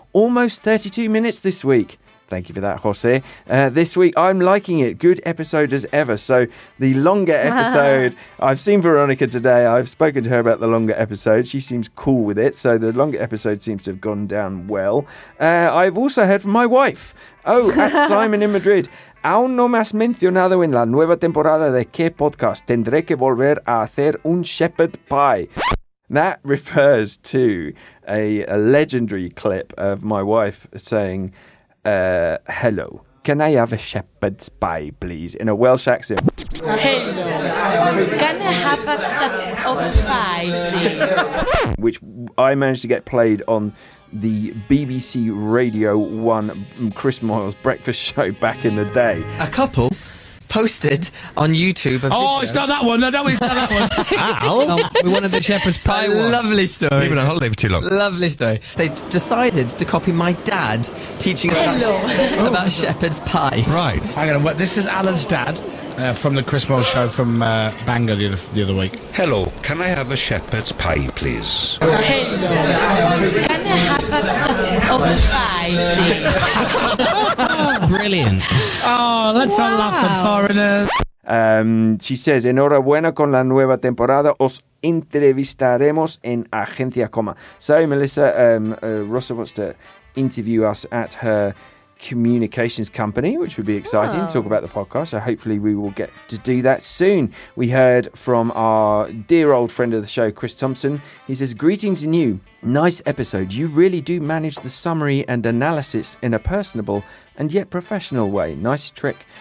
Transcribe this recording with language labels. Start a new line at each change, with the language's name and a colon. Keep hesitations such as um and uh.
English: Almost 32 minutes this week. Thank you for that, Jose. Uh, this week, I'm liking it. Good episode as ever. So, the longer episode, I've seen Veronica today. I've spoken to her about the longer episode. She seems cool with it. So, the longer episode seems to have gone down well. Uh, I've also heard from my wife. Oh, at Simon in Madrid.
Spanish: Aún no me has mencionado en la nueva temporada de qué podcast tendré que volver a hacer un shepherd pie.
English: That refers to a, a legendary clip of my wife saying, uh, hello. Can I have a shepherd's pie, please? In a Welsh accent. Hello. Can I have a sip of pie, please? which I managed to get played on the BBC Radio 1 Chris Moyle's breakfast show back in the day. a couple posted on YouTube. A Oh, video it's not that one. No, that one's not that one. Ow. we wanted the shepherd's pie one. Lovely story. Leave it on, I'll leave it too long. Lovely story. They d- decided to copy my dad teaching us about, sh- about shepherd's pies. Right. Hang on. Well, this is Alan's dad uh, from the Chris Moyle show from uh, Bangor the other, the other week. Hello, can I have a shepherd's pie, please? Hello. Can I have a sip of pie, please? Brilliant. Oh, let's not laugh at foreigners. Um, she says,
Spanish: Enhorabuena con la nueva temporada. Os entrevistaremos en Agencia Coma.
English: So, Melissa, um, uh, Rosa wants to interview us at her communications company, which would be exciting. Talk about the podcast. So, hopefully, we will get to do that soon. We heard from our dear old friend of the show, Chris Thompson. He says, Greetings and you. Nice episode. You really do manage the summary and analysis in a personable and yet professional way. Nice trick.